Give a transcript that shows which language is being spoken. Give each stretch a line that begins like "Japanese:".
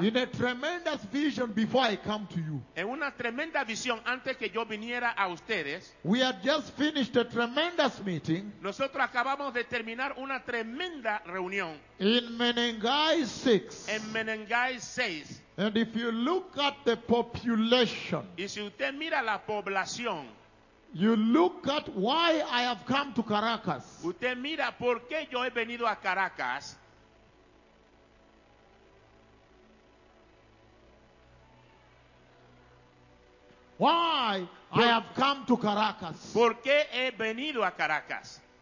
English: In a tremendous vision before I come to you.
Spanish: En una tremenda visión antes que yo viniera a ustedes.
English: We had just finished a tremendous meeting.
Spanish: Nosotros acabamos de terminar una tremenda reunión.
English: In Menengai 6.
Spanish: En Menengai 6.
English: And if you look at the population.
Spanish: Y si usted mira la población.
English: You look at why I have come to Caracas.
Spanish: Usted mira por qué yo he venido a Caracas.
English: Why I have come to Caracas.
Spanish: ¿Por qué he venido a Caracas?